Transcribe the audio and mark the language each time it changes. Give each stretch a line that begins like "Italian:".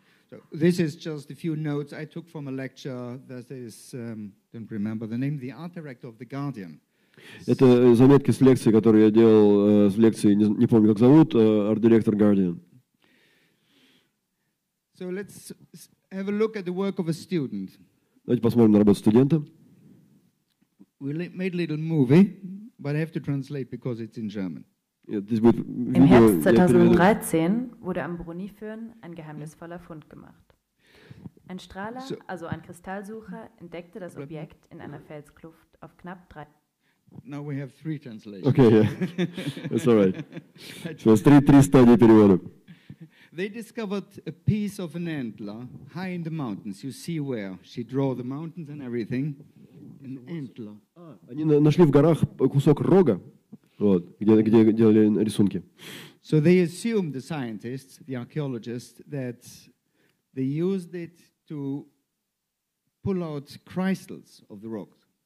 English: So, this is just a few notes I took from a lecture that is, don't remember the name, the art director of the Guardian.
Russian: Это заметки с лекции, которую я делал, с лекции, не помню, как зовут, арт-директор Guardian.
English: So let's have a look at the work of a student.
Russian: Давайте посмотрим на работу студента.
English: We made a little movie, but I have to translate because it's in German.
German: Im Herbst 2013 wurde am Brunifern ein geheimnisvoller Fund gemacht. Ein Strahler, also ein Kristallsucher, entdeckte das Objekt in einer Felskluft auf knapp 3.
English: Now we have 3 translations. Okay, yeah. It's all right. So it's 3
Russian: стадии перевода.
English: They discovered a piece of an antler high in the mountains. You see where she draw the mountains and everything. An antler.
Russian: Они нашли в горах кусок рога, вот, где делали рисунки.
English: So they assumed, the scientists, the archaeologists, that they used it to pull out crystals of the rocks.